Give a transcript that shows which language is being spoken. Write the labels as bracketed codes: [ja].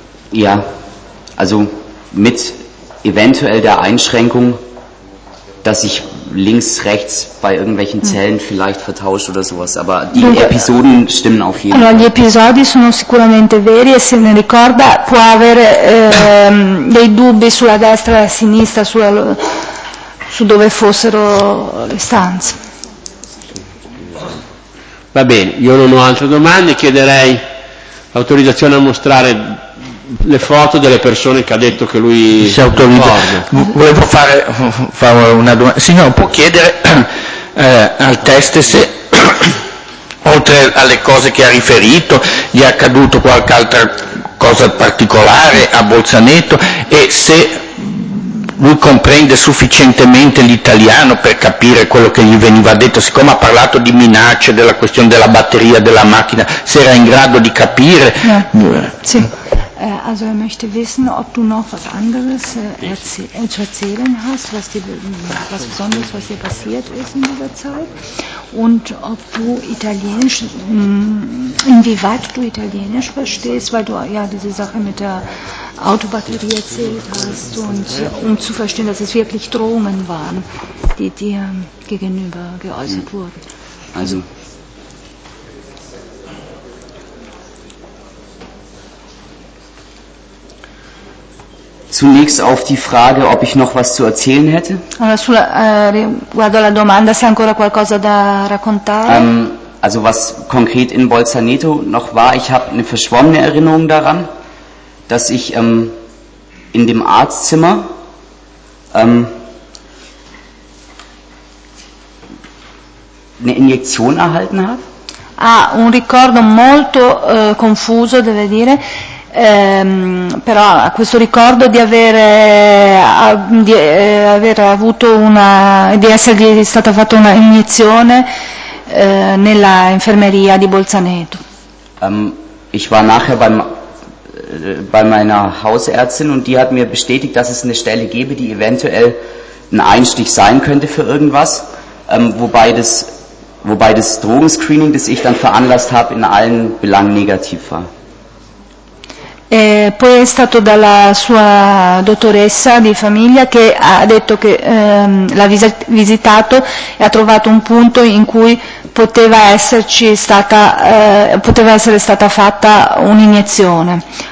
[de] Ja, also mit eventuell der Einschränkung, dass ich links, rechts bei irgendwelchen Zellen vielleicht vertauscht oder sowas, aber die Episoden stimmen auf jeden Fall. [it] Allora, gli episodi sono sicuramente veri e se ne ricorda può avere dei dubbi sulla destra e sinistra, su dove fossero le stanze. Va bene, io non ho altre domande, chiederei l'autorizzazione a mostrare le foto delle persone che ha detto che lui si autorizza. Volevo fare una domanda. Signore, può chiedere al teste se oltre alle cose che ha riferito gli è accaduto qualche altra cosa particolare a Bolzaneto e se lui comprende sufficientemente l'italiano per capire quello che gli veniva detto, siccome ha parlato di minacce, della questione della batteria, della macchina, se era in grado di capire. Sì. [de] Also er möchte wissen, ob du noch was anderes zu erzählen hast, was besonders, was dir passiert ist in dieser Zeit und ob du Italienisch, inwieweit du Italienisch verstehst, weil du ja diese Sache mit der Autobatterie erzählt hast und um zu verstehen, dass es wirklich Drohungen waren, die dir gegenüber geäußert wurden. Also zunächst auf die Frage, ob ich noch was zu erzählen hätte. [it] Allora, riguardo alla domanda, se ancora qualcosa da raccontare. [de] Also was konkret in Bolzaneto noch war, ich habe eine verschwommene Erinnerung daran, dass ich in dem Arztzimmer eine Injektion erhalten habe. [it] Ah, un ricordo molto confuso, deve dire. Però a questo ricordo di aver avuto una di essergli stata fatta una iniezione nella infermeria di Bolzaneto. [de] Ich war nachher bei meiner Hausärztin und die hat mir bestätigt, dass es eine Stelle gäbe, die eventuell ein Einstich sein könnte für irgendwas, wobei das Drogenscreening, das ich dann veranlasst habe, in allen Belangen negativ war. [it] Poi è stato dalla sua dottoressa di famiglia che ha detto che l'ha visitato e ha trovato un punto in cui poteva esserci stata poteva essere stata fatta un'iniezione.